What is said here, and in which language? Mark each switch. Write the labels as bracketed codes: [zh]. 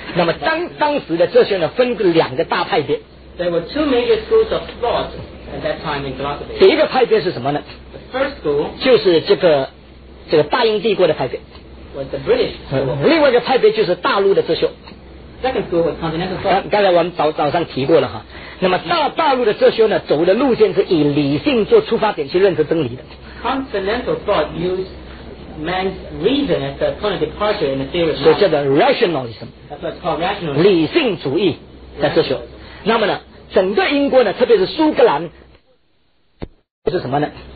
[zh] 那么当时的这些呢，分两个大派别。 [en] There were two major schools of thought at that time in philosophy. [zh] 第一个派别是什么呢 [en] ？The first school [zh] 就是这个大英帝国的派别。 [en] Was the British school. [zh] 另外一个派别就是大陆的哲学。 [en] Second school was continental thought. [zh] 刚才我们早上提过了哈。那么大陆的哲学呢，走的路线是以理性做出发点去认识真理的。 [en] Continental thought used man's reason as the point of departure in the theory. [zh] 所以叫做 rationalism. [en] That's what's called rationalism. [zh] 理性主义。在这时候，那么呢，整个英国呢，特别是苏格兰，是什么呢？